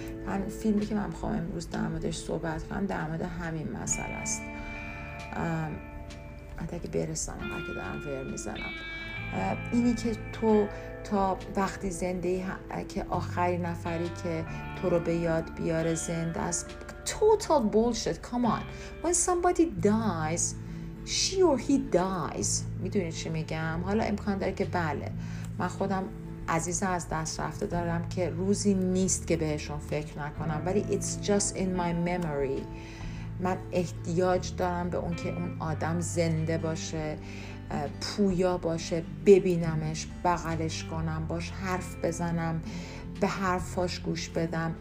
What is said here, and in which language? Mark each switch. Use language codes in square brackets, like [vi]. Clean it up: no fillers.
[fa] من فیلمی که من میخوام امروز در موردش صحبت کنم در مورد همین مسئله است، حتی اگه برسم اونقدر که دارم ویر میزنم، اینی که تو تا وقتی زنده ای که آخری نفری که تو رو به یاد بیاره زنده است، [en] total bullshit. Come on, when somebody dies she or he dies. [fa] میدونی چی میگم؟ حالا امکان داره که بله، من خودم عزیز از دست رفته دارم که روزی نیست که بهشون فکر نکنم، ولی [en] it's just in my memory. [fa] من احتیاج دارم به اون که اون آدم زنده باشه، پویا باشه، ببینمش، بغلش کنم، باش حرف بزنم، به حرفاش گوش بدم.